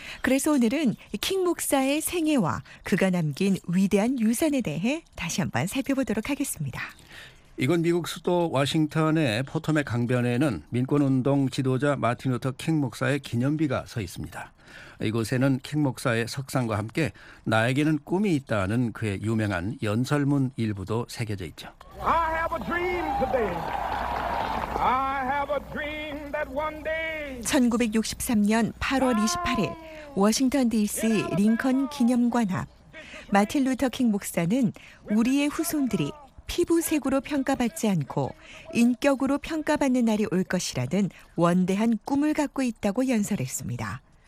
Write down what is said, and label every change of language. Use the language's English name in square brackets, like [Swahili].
[Korean] 그래서 오늘은 킹 목사의 생애와 그가 남긴 위대한 유산에 대해 다시 한번 살펴보도록 하겠습니다. 이곳 미국 수도 워싱턴의 포토맥 강변에는 민권운동 지도자 마틴 루터 킹 목사의 기념비가 서 있습니다. 이곳에는 킹 목사의 석상과 함께 나에게는 꿈이 있다는 그의 유명한 연설문 일부도 새겨져 있죠. [English] I have a dream today. I have a dream that one day. [Korean] 1963년 8월 28일 워싱턴 DC 링컨 기념관 앞 마틴 루터 킹 목사는 우리의 후손들이 피부색으로 평가받지 않고 인격으로 평가받는 날이 올 것이라는 원대한 꿈을 갖고 있다고 연설했습니다.